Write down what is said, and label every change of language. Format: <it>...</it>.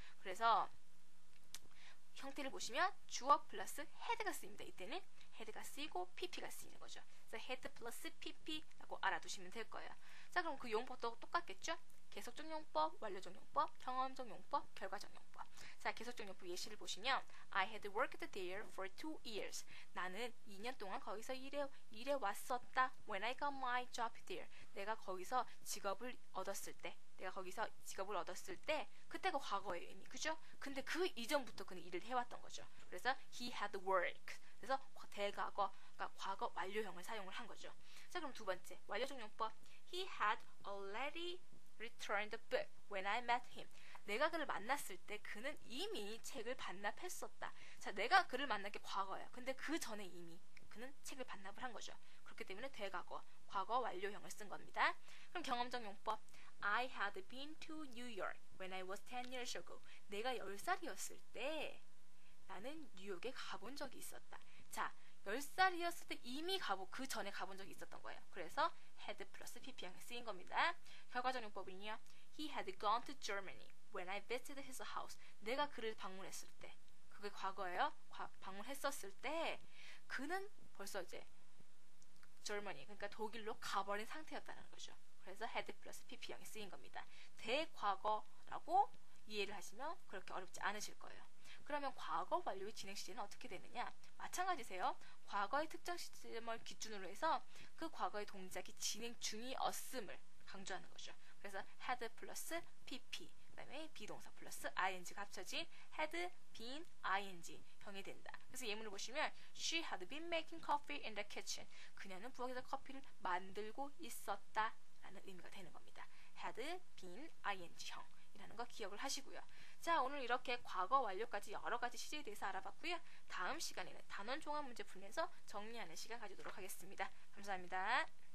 <ko>그래서 형태를 보시면 주어 플러스 head가 쓰입니다. 이때는 head가 쓰이고 pp가 쓰이는 거죠. 그래서 head 플러스 pp라고 알아두시면 될 거예요. 자, 그럼 그 용법도 똑같겠죠? 계속적 용법, 완료적 용법, 경험적 용법, 결과적 용법. 자, 계속적 용법 예시를 보시면</ko> <en>I had worked there for 2 years.</en> <ko>나는 2년 동안 거기서 일해 왔었다.</ko> <en>When I got my job there.</en> <ko>내가 거기서 직업을 얻었을 때. 내가 거기서 직업을 얻었을 때, 그때가 과거예요, 이미. 그죠? 근데 그 이전부터 그는 일을 해왔던 거죠. 그래서</ko> <en>he had worked.</en> <ko>그래서 대과거, 그러니까 과거 완료형을 사용을 한 거죠. 자, 그럼 두 번째, 완료적 용법.</ko> <en>He had already returned the book when I met him.</en> <ko>내가 그를 만났을 때 그는 이미 책을 반납했었다. 자, 내가 그를 만난 게 과거예요. 근데 그 전에 이미 그는 책을 반납을 한 거죠. 그렇기 때문에 대과거, 과거 완료형을 쓴 겁니다. 그럼 경험적 용법.</ko> <en>I had been to New York when I was 10 years ago.</en> <ko>내가 10살이었을 때 나는 뉴욕에 가본 적이 있었다. 자, 10살이었을 때 이미 가보, 그 전에 가본 적이 있었던 거예요. 그래서 had 플러스 pp형이 쓰인 겁니다. 결과적 용법은요,</ko> <en>He had gone to Germany when I visited his house.</en> <ko>내가 그를 방문했을 때, 그게 과거예요. 방문했었을 때 그는 벌써 이제 Germany, 그러니까 독일로 가버린 상태였다는 거죠. 그래서 head 플러스 pp형이 쓰인 겁니다. 대과거라고 이해를 하시면 그렇게 어렵지 않으실 거예요. 그러면 과거 완료의 진행시제는 어떻게 되느냐? 마찬가지세요. 과거의 특정 시점을 기준으로 해서 그 과거의 동작이 진행 중이었음을 강조하는 거죠. 그래서 had 플러스 pp, 그 다음에 비동사 플러스 ing가 합쳐진 had been ing형이 된다. 그래서 예문을 보시면</ko> <en>She had been making coffee in the kitchen.</en> <ko>그녀는 부엌에서 커피를 만들고 있었다 라는 의미가 되는 겁니다. had been ing형 이라는 거 기억을 하시고요. 자, 오늘 이렇게 과거 완료까지 여러 가지 시제에 대해서 알아봤고요. 다음 시간에는 단원 종합 문제 풀면서 정리하는 시간 가지도록 하겠습니다. 감사합니다.</ko>